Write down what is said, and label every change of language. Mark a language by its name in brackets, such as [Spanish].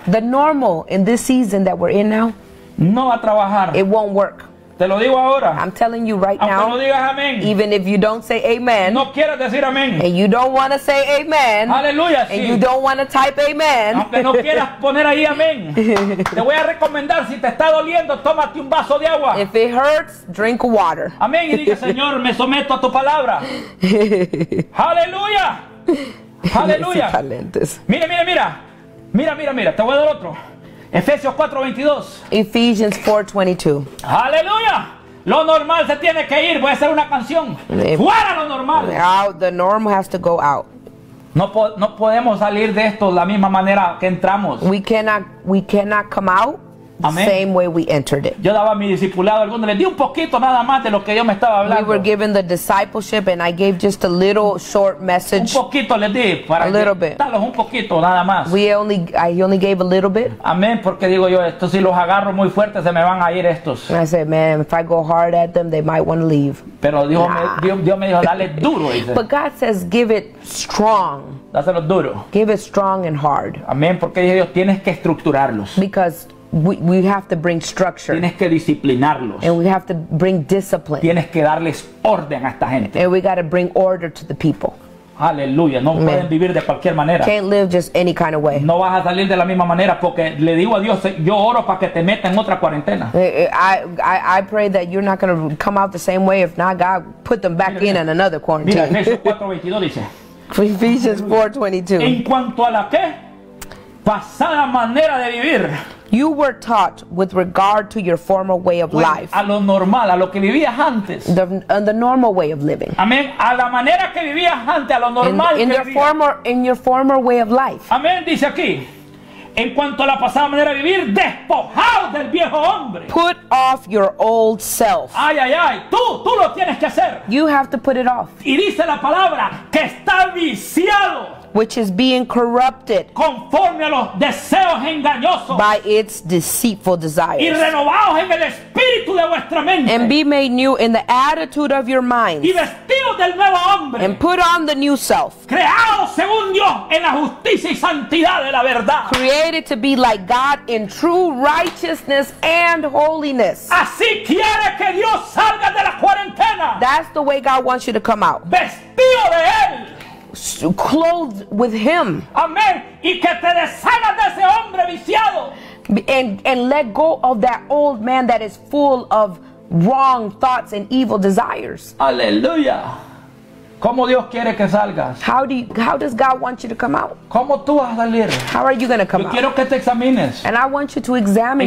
[English] The normal in this season that we're in now. [Spanish] No va a trabajar. [English] It won't work. [Spanish] Te lo digo ahora. [English] I'm telling you right now. [Spanish] Aunque no digas amén. [English] Even if you don't say amen. [Spanish] No quieres decir amén. [English] And you don't want to say amen. [Spanish] Aleluya, [English] sí. And you don't want to type amen. [Spanish] Aunque no quieras poner ahí amén. Te voy a recomendar, si te está doliendo, tómate un vaso de agua. [English] If it hurts, drink water. [Spanish] Amén. Y diga, Señor, me someto a tu palabra. Aleluya. Aleluya. Talentos. Mira, mira, mira. Mira, mira, mira. Te voy a dar otro. [English] Ephesians 4:22. [Spanish] Aleluya. Lo normal se tiene que ir. Voy a hacer una canción. Fuera lo normal. [English] Out, the norm has to go out. [Spanish] No podemos salir de esto la misma manera que entramos. [English] We cannot come out. Amen. Same way we entered it. [Spanish] Yo daba mi discipulado, algunos les di un poquito nada más de lo que Dios me estaba hablando. [English] We were given the discipleship and I gave just a little short message. [Spanish] Un poquito les di para [English] a little bit. [Spanish] Un poquito nada más. [English] I only gave a little bit. Amen. [Spanish] Porque digo yo, esto si los agarro muy fuerte se me van a ir estos. [English] And I said, man, if I go hard at them, they might want to leave. [Spanish] Pero Dios, nah. Dios me dijo, dale duro. [English] But God says, give it strong. [Spanish] Dáselo duro. [English] Give it strong and hard. [Spanish] Amen. Porque dije Dios, tienes que estructurarlos. [English] Because we have to bring structure. [Spanish] Tienes que disciplinarlos. [English] And we have to bring discipline. [Spanish] Tienes que darles orden a esta gente. [English] And we got to bring order to the people. [Spanish] Aleluya, no. Amen. Pueden vivir de cualquier manera. [English] Can't live just any kind of way. [Spanish] No vas a salir de la misma manera porque le digo a Dios, yo oro para que te meta en otra cuarentena. [English] I pray that you're not going to come out the same way, if not God put them back. [Spanish] Mira, [English] in another quarantine. [Spanish] Mira, Ephesians 4:22 dice. [English] Ephesians 4:22. [Spanish] En cuanto a la qué? Pasada manera de vivir. [English] You were taught with regard to your former way of life. [Spanish] A lo normal, a lo que vivías antes. [English] The normal way of living. [Spanish] Amén. A la manera que vivías antes, a lo normal [English] in [Spanish] que [English] vivías. In your former way of life. [Spanish] Amén. Dice aquí. En cuanto a la pasada manera de vivir, despojado del viejo hombre. [English] Put off your old self. [Spanish] Ay, ay, ay. Tú lo tienes que hacer. [English] You have to put it off. [Spanish] Y dice la palabra que está viciado. [English] Which is being corrupted [Spanish] conforme a los deseos engañosos [English] by its deceitful desires. [Spanish] Y renovados en el espíritu de vuestra mente. [English] And be made new in the attitude of your mind. [Spanish] Y vestidos del nuevo hombre. [English] And put on the new self. [Spanish] Creados según Dios en la justicia y santidad de la verdad. [English] Created to be like God in true righteousness and holiness. [Spanish] Así quiere que Dios salga de la cuarentena. [English] That's the way God wants you to come out. [Spanish] Vestido de él. [English] Clothed with him. Amen. [Spanish] Y que te deshagas de ese hombre viciado. [English] And let go of that old man that is full of wrong thoughts and evil desires. [Spanish] Aleluya. ¿Cómo Dios quiere que salgas? [English] How does God want you to come out? [Spanish] ¿Cómo tú vas a salir? [English] How are you going to come [Spanish] yo [English] out? [Spanish] Quiero que te examines. [English] And I want you to examine